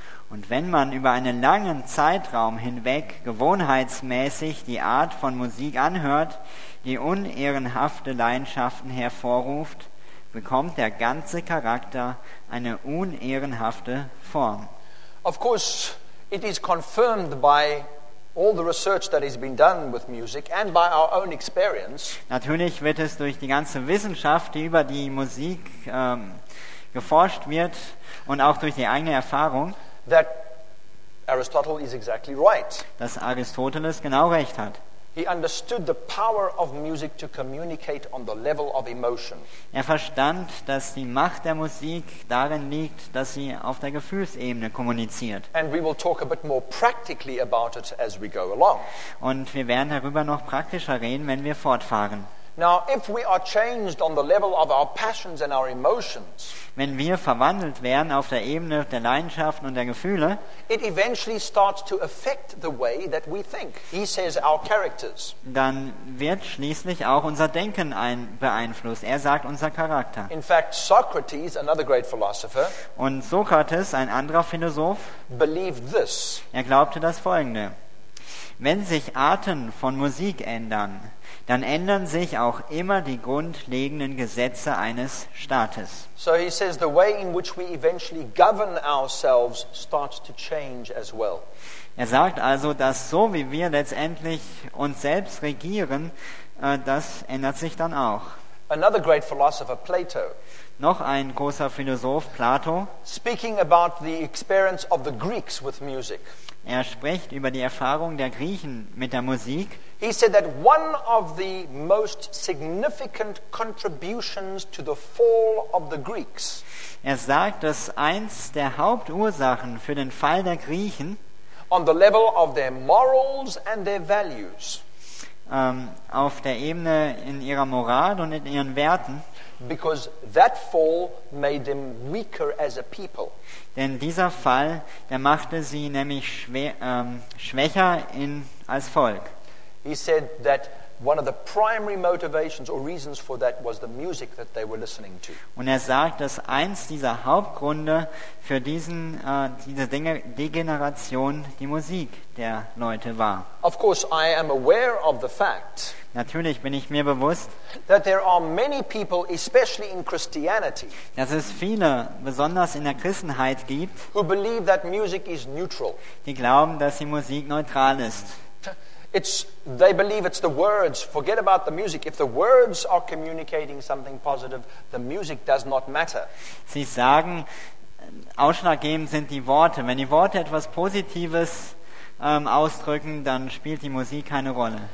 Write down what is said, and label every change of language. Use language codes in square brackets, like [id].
[de] Und wenn man über einen langen Zeitraum hinweg gewohnheitsmäßig die Art von Musik anhört, die unehrenhafte Leidenschaften hervorruft, bekommt der ganze Charakter eine unehrenhafte Form. [en] Of course, it is confirmed by all the research that has been done with music and by our own experience. [de] Natürlich wird es durch die ganze Wissenschaft, die über die Musik geforscht wird, und auch durch die eigene Erfahrung, [en] that Aristotle is exactly right. [de] Dass Aristoteles genau recht hat. [en] He understood the power of music to communicate on the level of emotion. [de] Er verstand, dass die Macht der Musik darin liegt, dass sie auf der Gefühlsebene kommuniziert. [en] And we will talk a bit more practically about it as we go along. [de] Und wir werden darüber noch praktischer reden, wenn wir fortfahren. [en] Now, if we are changed on the level of our passions and our emotions, [de] wenn wir verwandelt werden auf der Ebene der Leidenschaften und der Gefühle, [en] it eventually starts to affect the way that we think. He says our characters. [de] Dann wird schließlich auch unser Denken beeinflusst. Er sagt unser Charakter. [en] In fact, Socrates, another great philosopher, [de] und Sokrates, ein anderer Philosoph, [en] believed this. [de] Er glaubte das Folgende: Wenn sich Arten von Musik ändern, dann ändern sich auch immer die grundlegenden Gesetze eines Staates. [en] So he says the way in which we eventually govern ourselves starts to change as well. [de] Er sagt also, dass so wie wir letztendlich uns selbst regieren, das ändert sich dann auch. [en] Another great philosopher, Plato. [de] Noch ein großer Philosoph, Plato. [en] Speaking about the experience of the Greeks with music. [de] Er spricht über die Erfahrung der Griechen mit der Musik. [en] He said that one of the most significant contributions to the fall of the Greeks. [de] Er sagt, dass eins der Hauptursachen für den Fall der Griechen [en] on the level of their morals and their values, [de] auf der Ebene in ihrer Moral und in ihren Werten, [en] because that fall made them weaker as a people. [de] Denn dieser Fall, der machte sie nämlich schwächer als Volk. [en] He said that one of the primary motivations or reasons for that was the music that they were listening to. [de] Und er sagt, dass eins dieser Hauptgründe für diese Degeneration die Musik der Leute war. [en] Of course, I am aware of the fact. [de] Natürlich bin ich mir bewusst, [en] that there are many people, especially in Christianity, [de] dass es viele, besonders in der Christenheit, gibt, [en] who believe that music is neutral. [de] Die glauben, dass die Musik neutral ist. [en] They believe it's the words. Forget about the music. If the words are communicating something positive, the music does not matter. [de] Sie sagen, ausschlaggebend sind die Worte. Wenn die Worte etwas Positives ausdrücken, dann spielt die Musik keine Rolle.